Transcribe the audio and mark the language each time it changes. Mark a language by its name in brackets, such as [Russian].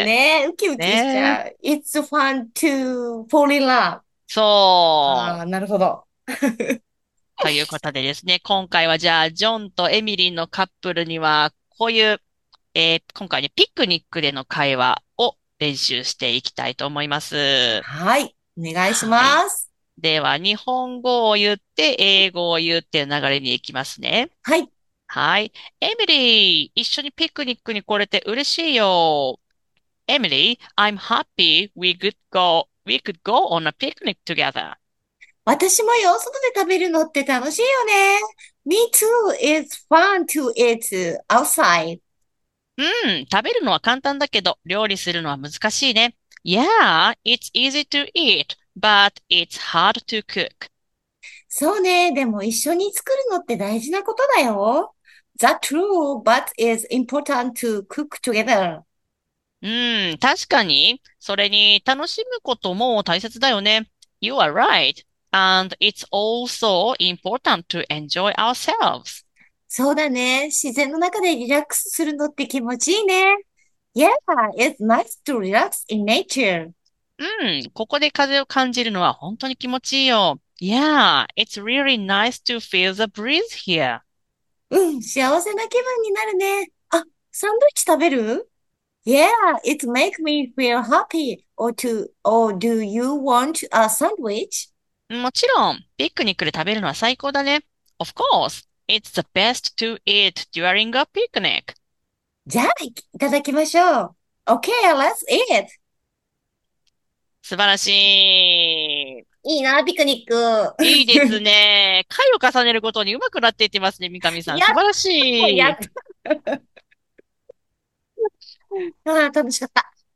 [Japanese] でね、ウキウキしちゃう。ね、 [English] It's fun to fall in love. [Japanese] そう。ああ、なるほど。ということでですね、今回はじゃあ、ジョンとエミリーのカップルには、こういう、今回ね、ピクニックでの会話を練習していきたいと思います。はい、お願いします。はい、では、日本語を言って、英語を言って流れに行きますね。はい。はい。エミリー、一緒にピクニックに来れて嬉しいよ。 [English] エミリー、I'm happy we could go on a picnic together. [Japanese] 私もよ、外で食べるのって楽しいよね。 [English] Me too, it's fun to eat outside. [Japanese] うん、食べるのは簡単だけど、料理するのは難しいね。 [English] Yeah, it's easy to eat. But it's hard to cook. [Japanese] そうね、でも一緒に作るのって大事なことだよ。 [English] That's true, but it's important to cook together. [Japanese] うん、確かに。それに楽しむことも大切だよね。 [English] You are right. And it's also important to enjoy ourselves. [Japanese] そうだね、自然の中でリラックスするのって気持ちいいね。 [English] Yeah, it's nice to relax in nature. [Japanese] うん、ここで風を感じるのは本当に気持ちいいよ。 [English] Yeah, it's really nice to feel the breeze here. [Japanese] うん、幸せな気分になるね。あ、サンドイッチ食べる？ [English] Yeah, it makes me feel happy. Or do you want a sandwich? [Japanese] もちろん、ピクニックで食べるのは最高だね。 [English] Of course, it's the best to eat during a picnic. [Japanese] じゃあ、いただきましょう。 [English] Okay, let's eat. [Japanese] 素晴らしい。いいな、ピクニック。いいですね。回を重ねるごとに上手くなっていってますね、三上さん。素晴らしい。やった。ああ、楽しかった。